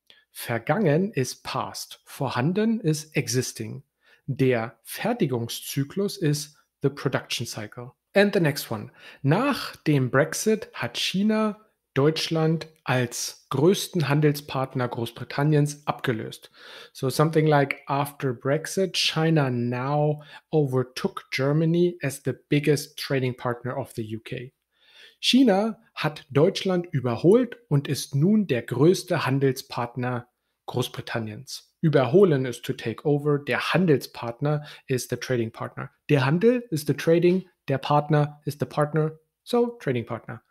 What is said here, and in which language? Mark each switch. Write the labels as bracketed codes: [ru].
[de] Vergangen ist [en] past, [de] vorhanden ist [en] existing. [de] Der Fertigungszyklus ist [en] the production cycle. And the next one. [de] Nach dem Brexit hat China Deutschland als größten Handelspartner Großbritanniens abgelöst. [en] So something like after Brexit, China now overtook Germany as the biggest trading partner of the UK. [de] China hat Deutschland überholt und ist nun der größte Handelspartner Großbritanniens. Überholen [en] is to take over. [de] Der Handelspartner [en] is the trading partner. [de] Der Handel [en] is the trading. [de] Der Partner [en] is the partner. So, Trading Partner.